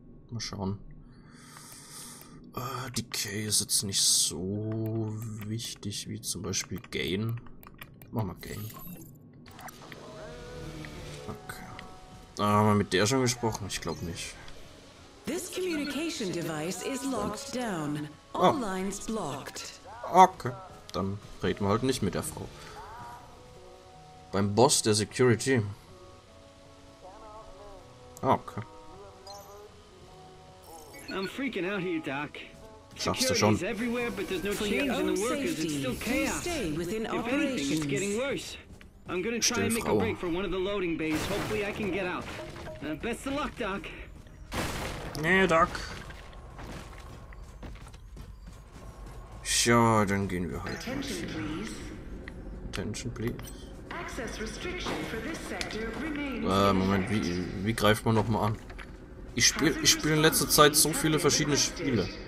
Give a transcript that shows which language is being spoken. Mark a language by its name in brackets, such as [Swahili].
[German] Mal schauen. Decay ist jetzt nicht so wichtig wie zum Beispiel Gain. Machen wir Gain. Okay. Haben wir mit der schon gesprochen? Ich glaube nicht. [English] This communication device is locked down. All lines blocked. Okay. [German] Dann reden wir halt nicht mit der Frau. Beim Boss der Security. Okay. [English] I'm freaking out here, Doc. [German] Schaffst du schon. [English] Everywhere, but there's no change in the workers. It's still chaos. Stay within operations. It's getting worse. I'm gonna try and make a break for one of the loading bays. Hopefully I can get out. Best of luck, Doc. [German] Nee, Doc. Sure, dann gehen wir halt. [English] Attention, please. Attention, please. Access restriction for this sector remains. [German] Moment, wie greift man nochmal an? Ich spiele in letzter Zeit so viele verschiedene Spiele.